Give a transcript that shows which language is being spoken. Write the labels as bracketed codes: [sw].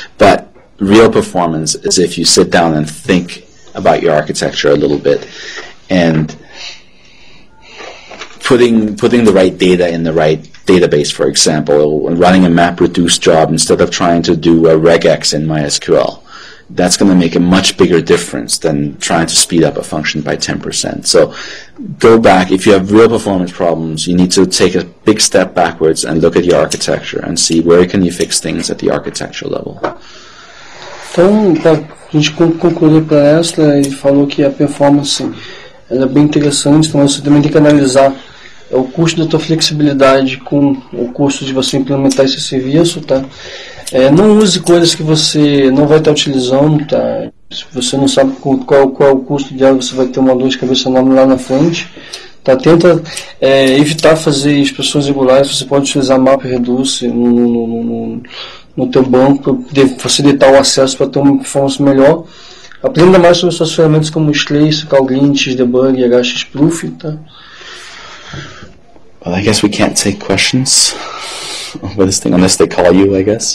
[en] But real performance is if you sit down and think about your architecture a little bit and putting the right data in the right database, for example, running a map reduce job instead of trying to do a regex in MySQL, that's going to make a much bigger difference than trying to speed up a function by 10%. So go back. If you have real performance problems, you need to take a big step backwards and look at your architecture and see where can you fix things at the architecture level. [pt] Então, a gente concluiu para essa, ele falou que a performance ela é bem interessante, então você também tem que analisar o custo da tua flexibilidade com o custo de você implementar esse serviço, tá? Não use coisas que você não vai estar utilizando, tá? Se você não sabe qual é o custo de algo, você vai ter uma dor de cabeça enorme lá na frente, tá? Tenta evitar fazer expressões regulares. Você pode utilizar map reduce no teu banco para facilitar o acesso para ter uma performance melhor. Aprenda mais sobre suas ferramentas como Trace, CalGlint, Debug, HXProof, tá? [en] Well, I guess we can't take questions with this thing, unless they call you, I guess.